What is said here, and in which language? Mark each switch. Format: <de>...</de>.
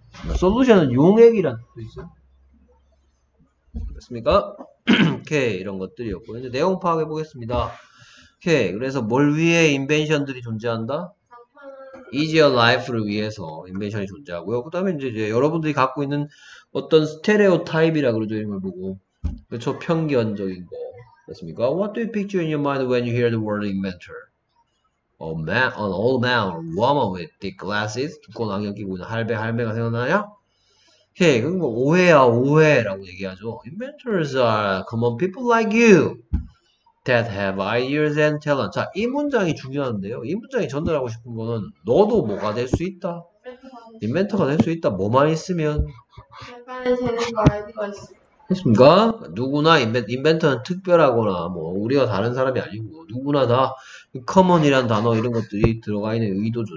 <ko>solution은 용액이란 뜻도 있어요. 그렇습니까? 오케이. 이런 것들이었고. 이제 내용 파악해 보겠습니다. 오케이. 그래서 뭘 위해 인벤션들이 존재한다? easier life를 위해서 인벤션이 존재하고요. 그 다음에 이제 여러분들이 갖고 있는 어떤 스테레오 타입이라 그러죠. 이걸 보고. 그렇죠. 편견적인 거. 됐습니까?</ko> <en>What do you picture in your mind when you hear the word inventor? An old man or woman with thick glasses?</en> <ko>두꺼운 안경 끼고 있는 할배, 할매가 생각나냐? 오케이, 그럼 뭐 오해야, 오해라고 얘기하죠.</ko> <en>Inventors are common people like you that have ideas and talent.</en> <ko>자, 이 문장이 중요한데요. 이 문장이 전달하고 싶은 거는 너도 뭐가 될 수 있다? 인벤터가 될 수 있다. 뭐만 있으면? 약간의 재능과 아이디어가 있어. 했습니까? 누구나 인벤터는 특별하거나 뭐 우리가 다른 사람이 아니고 누구나 다 커먼이란 단어 이런 것들이 들어가 있는 의도죠.</ko>